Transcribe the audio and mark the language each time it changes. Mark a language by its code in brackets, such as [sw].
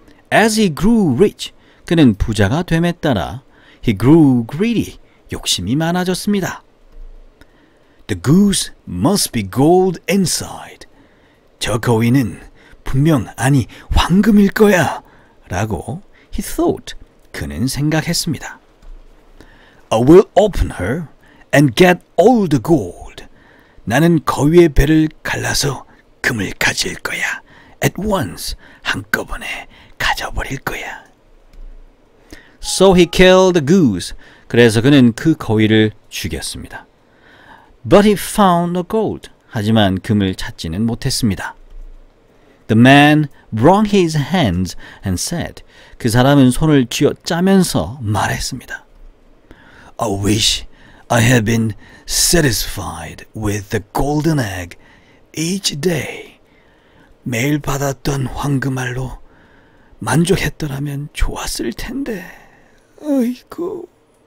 [en] As he grew rich, [ko] 그는 부자가 됨에 따라 [en] he grew greedy, [ko] 욕심이 많아졌습니다. [en] The goose must be gold inside. [ko] 저 거위는 분명 아니 황금일 거야. 라고 [en] he thought. [ko] 그는 생각했습니다. [en] I will open her and get all the gold. [ko] 나는 거위의 배를 갈라서 금을 가질 거야. [en] At once. [ko] 한꺼번에 가져버릴 거야. [en] So he killed the goose. [ko] 그래서 그는 그 거위를 죽였습니다. [en] But he found the gold. [ko] 하지만 금을 찾지는 못했습니다. [en] The man wrung his hands and said, [ko] 그 사람은 손을 쥐어짜면서 말했습니다. [en] I wish I had been satisfied with the golden egg each day. [ko] 매일 받았던 황금 알로 만족했더라면 좋았을 텐데. 아이고.